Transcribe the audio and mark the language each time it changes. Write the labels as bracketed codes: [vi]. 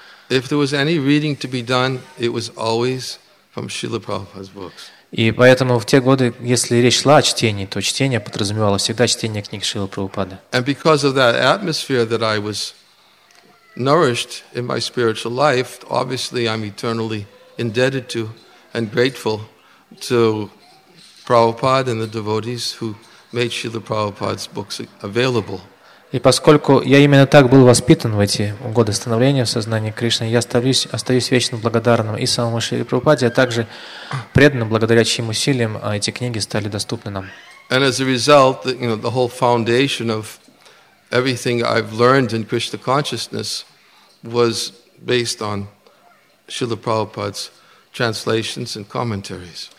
[en] If there was any reading to be done, it was always from Srila Prabhupada's books. [ru] И поэтому в те годы, если речь шла о чтении, то чтение подразумевало всегда чтение книг Шрилы Прабхупады. [en] And because of that atmosphere that I was nourished in my spiritual life, obviously I'm eternally indebted to and grateful to Prabhupada and the devotees who made Srila Prabhupada's books available. [ru] И поскольку я именно так был воспитан в эти годы становления в сознании Кришны, я остаюсь вечно благодарным и самому Шри Прабхупаде, а также преданным, благодаря чьим усилиям эти книги стали доступны нам. [en] And as a result, you know, the whole foundation of everything I've learned in Krishna consciousness was based on Srila Prabhupada's translations and commentaries.